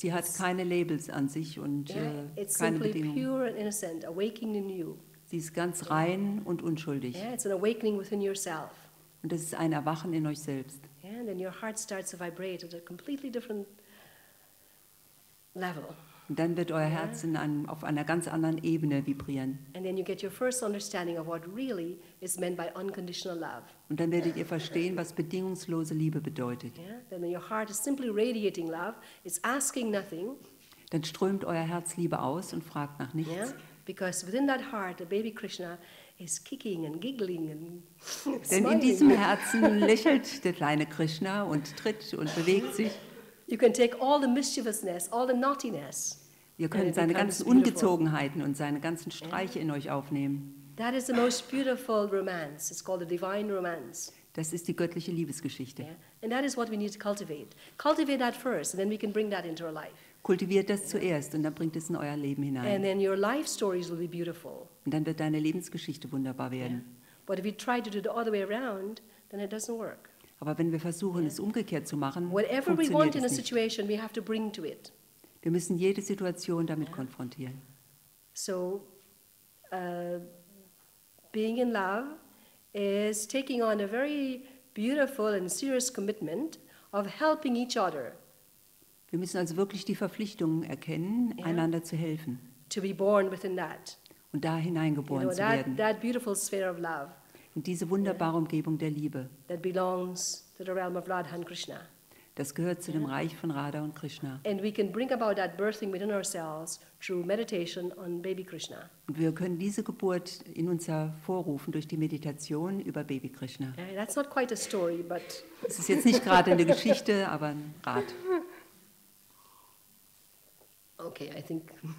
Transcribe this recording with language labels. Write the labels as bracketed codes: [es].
[de] Sie hat keine Labels an sich und keine Bedingungen. [en] It's simply pure and innocent, awakening in you. [de] Sie ist ganz rein und unschuldig. [en] Yeah, it's an awakening within yourself. [de] Und es ist ein Erwachen in euch selbst. [en] Yeah, and then your heart starts to vibrate at a completely different level. [de] Und dann wird euer Herz in einem, auf einer ganz anderen Ebene vibrieren. [en] And then you get your first understanding of what really is meant by unconditional love. [de] Und dann werdet ihr verstehen, was bedingungslose Liebe bedeutet. [en] Yeah, then when your heart is simply radiating love, it's asking nothing. [de] Dann strömt euer Herz Liebe aus und fragt nach nichts. [en] Yeah, because within that heart, the baby Krishna is kicking and giggling and [de] Denn in diesem Herzen lächelt der kleine Krishna und tritt und bewegt sich. [en] You can take all the mischievousness, all the naughtiness. [de] Ihr könnt seine ganzen Ungezogenheiten und seine ganzen Streiche in euch aufnehmen. [en] That is the most beautiful romance. It's called the divine romance. [de] Das ist die göttliche Liebesgeschichte. [en] Yeah. And that is what we need to cultivate. Cultivate that first, and then we can bring that into our life. [de] Kultiviert das zuerst und dann bringt es in euer Leben hinein. [en] And then your life stories will be beautiful. [de] Und dann wird deine Lebensgeschichte wunderbar werden. [en] Yeah. But if you try to do the other way around, then it doesn't work. [de] Aber wenn wir versuchen, es umgekehrt zu machen, [en] Whatever [de] funktioniert [en] we want [de] es [en] in a [de] nicht. [en] Situation, we have to bring to it. [de] Wir müssen jede Situation damit konfrontieren. [en] So, being in love is taking on a very beautiful and serious commitment of helping each other. [de] Wir müssen also wirklich die Verpflichtung erkennen, einander zu helfen. [en] To be born within that. [de] Und da hineingeboren [en] you know, [de] zu werden. [en] That beautiful sphere of love. [de] In diese wunderbare Umgebung der Liebe. [en] That belongs to the realm of Radha and Krishna. [de] Das gehört zu dem Reich von Radha und Krishna. [en] And we can bring about that birthing within ourselves through meditation on baby Krishna. [de] Und wir können diese Geburt in uns hervorrufen durch die Meditation über Baby Krishna. [en] That's not quite a story, but [de] es ist jetzt nicht gerade eine Geschichte, aber ein Rat. [en] Okay, I think.